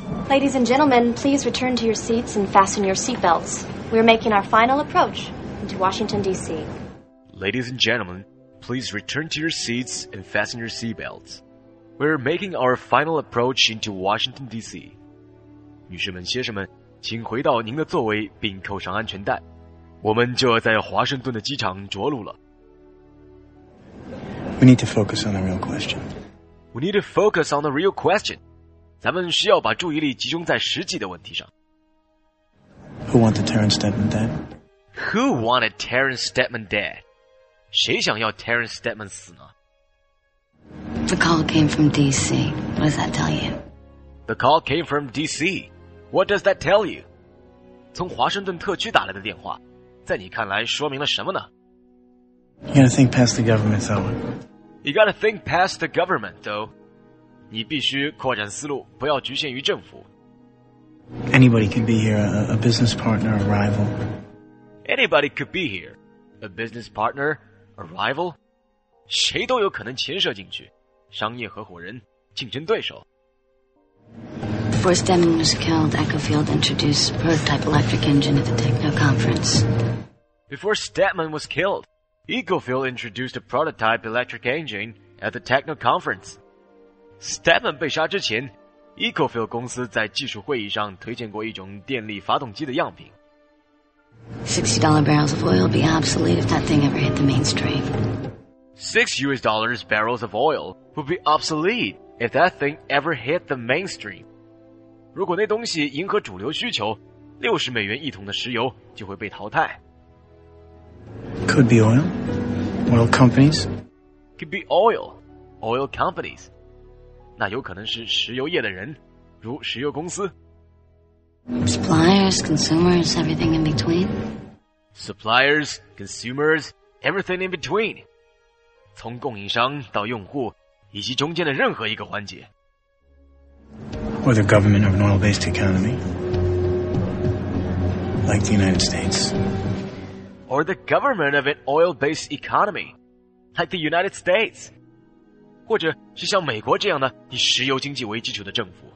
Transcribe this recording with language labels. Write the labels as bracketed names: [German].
[English] Ladies and gentlemen, please return to your seats and fasten your seatbelts. We're making our final approach into Washington, D.C. Ladies and gentlemen, please return to your seats and fasten your seatbelts. We're making our final approach into Washington, D.C. [Chinese] 女士们、先生们，请回到您的座位并扣上安全带。我们就要在华盛顿的机场着陆了。 [English] We need to focus on the real question. We need to focus on the real question. [Chinese] 咱们需要把注意力集中在实际的问题上。 [English] Who wanted Terrence Stedman dead? Who wanted Terrence Stedman dead? [Chinese] 谁想要 Terrence Stedman 死呢？ [English] The call came from D.C. What does that tell you? The call came from D.C. What does that tell you? [Chinese] 从华盛顿特区打来的电话，在你看来说明了什么呢？ [English] You gotta think past the government, though. You gotta think past the government, though. [Chinese] 你必须扩展思路，不要局限于政府。 [English] Anybody could be here, a business partner, a rival. Anybody could be here, a business partner, a rival. [Chinese] 谁都有可能牵涉进去，商业合伙人，竞争对手。 [English] Before Stedman was killed, Echofield introduced a prototype electric engine at the Techno Conference. Before Stedman was killed, Echofield introduced a prototype electric engine at the Techno Conference. [Chinese] Stedman 被杀之前 Echofield 公司在技术会议上推荐过一种电力发动机的样品。 [English] $60 barrels of oil would be obsolete if that thing ever hit the mainstream. $6 barrels of oil would be obsolete if that thing ever hit the mainstream. [Chinese] 如果那东西迎合主流需求，60美元一桶的石油就会被淘汰。 [English] Could be oil. Oil companies. Could be oil. Oil companies. [Chinese] 那有可能是石油业的人，如石油公司。 [English] Suppliers, consumers, everything in between. Suppliers, consumers, everything in between. [Chinese] 从供应商到用户，以及中间的任何一个环节。 [English] Or the government of an oil-based economy. Like the United States. Or the government of an oil-based economy. Like the United States. [Chinese] 或者是像美国这样的以石油经济为基础的政府。